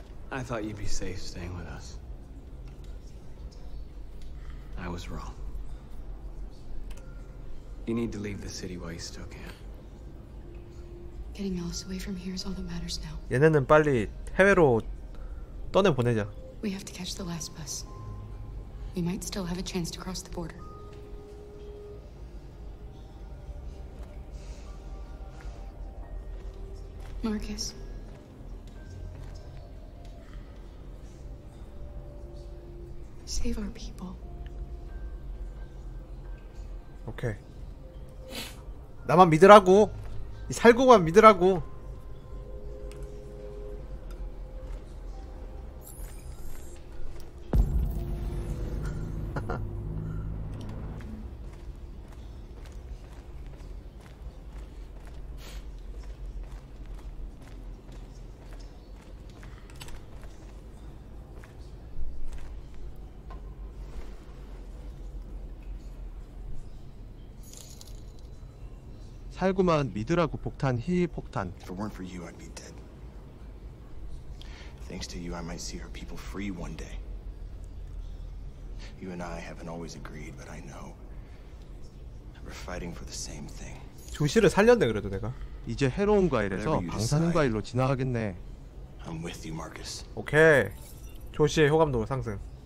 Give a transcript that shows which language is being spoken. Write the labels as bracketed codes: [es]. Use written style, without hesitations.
[en] I thought you'd be safe staying with us. I was wrong. You need to leave the city while you still can. Getting Alice away from here is all that matters now. [ko] 얘네는 빨리 해외로 떠내 보내자. [en] We have to catch the last bus. We might still have a chance to cross the border. save our people. [ko] Okay. 나만 믿으라고. 이 살구만 믿으라고. 살구만 믿으라고 폭탄 희 폭탄. [en] If it weren't for you, I'd be dead. Thanks to you, I might see her people free one day. You and I haven't always agreed, but I know we're fighting for the same thing. [ko] 조시를 살렸네 그래도 내가. 이제 해로운 과일에서 방사능 과일로 진화하겠네. [en] I'm with you, Marcus. [ko] 오케이. 조시의 호감도 상승.